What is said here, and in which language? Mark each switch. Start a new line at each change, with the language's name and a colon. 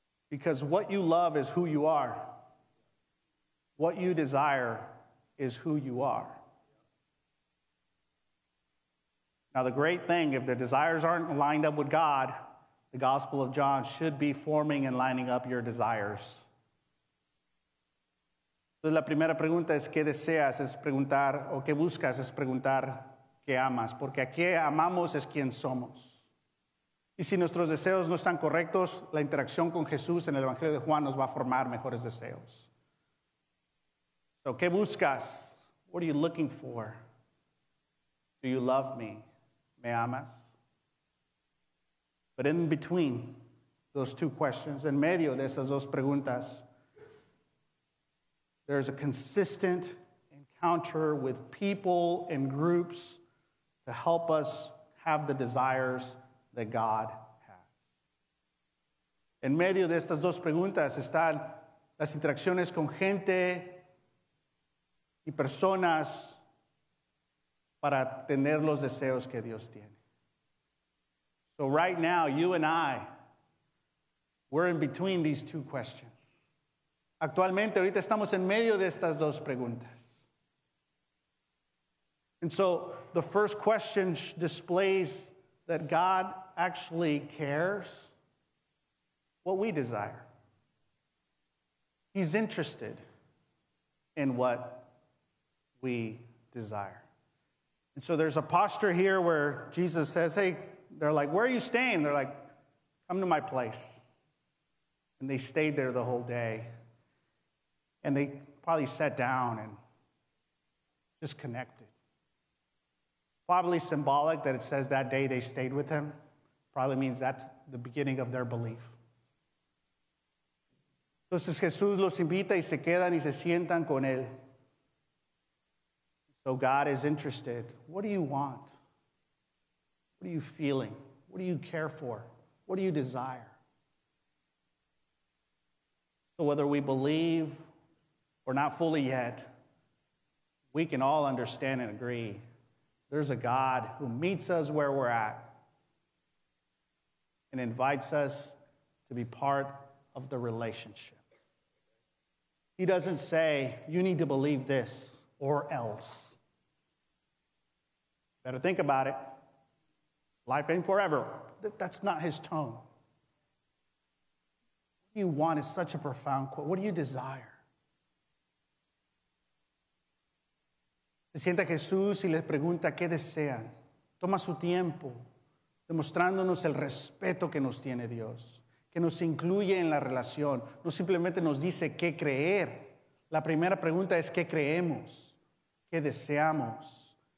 English: Because what you love is who you are. What you desire is who you are. Now the great thing, if the desires aren't lined up with God, the Gospel of John should be forming and lining up your desires.
Spanish: Entonces la primera pregunta es qué deseas, es preguntar o qué buscas, es preguntar qué amas, porque a qué amamos es quién somos. Y si nuestros deseos no están correctos, la interacción con Jesús en el Evangelio de Juan nos va a formar mejores deseos.
English: So,
Spanish: ¿qué buscas?
English: What are you looking for? Do you love me?
Spanish: ¿Me amas?
English: But in between those two questions,
Spanish: en medio de esas dos preguntas,
English: there's a consistent encounter with people and groups to help us have the desires that God has.
Spanish: En medio de estas dos preguntas están las interacciones con gente y personas para tener los deseos que Dios tiene.
English: So right now, you and I, we're in between these two questions.
Spanish: Actualmente, ahorita estamos en medio de estas dos preguntas.
English: And so, the first question displays that God actually cares what we desire. He's interested in what we desire. And so there's a posture here where Jesus says, hey, they're like, where are you staying? They're like, come to my place. And they stayed there the whole day. And they probably sat down and just connected. Probably symbolic that it says that day they stayed with him. Probably means that's the beginning of their belief.
Spanish: Entonces Jesús los invita y se quedan y se sientan con él.
English: So God is interested. What do you want? What are you feeling? What do you care for? What do you desire? So whether we believe or not fully yet, we can all understand and agree. There's a God who meets us where we're at and invites us to be part of the relationship. He doesn't say, you need to believe this or else. Better think about it. Life ain't forever. That's not his tone. What you want is such a profound quote. What do you desire?
Spanish: Se sienta Jesús y le pregunta, ¿qué desean? Toma su tiempo, demostrándonos el respeto que nos tiene Dios, que nos incluye en la relación. No simplemente nos dice qué creer. La primera pregunta es qué creemos, qué deseamos.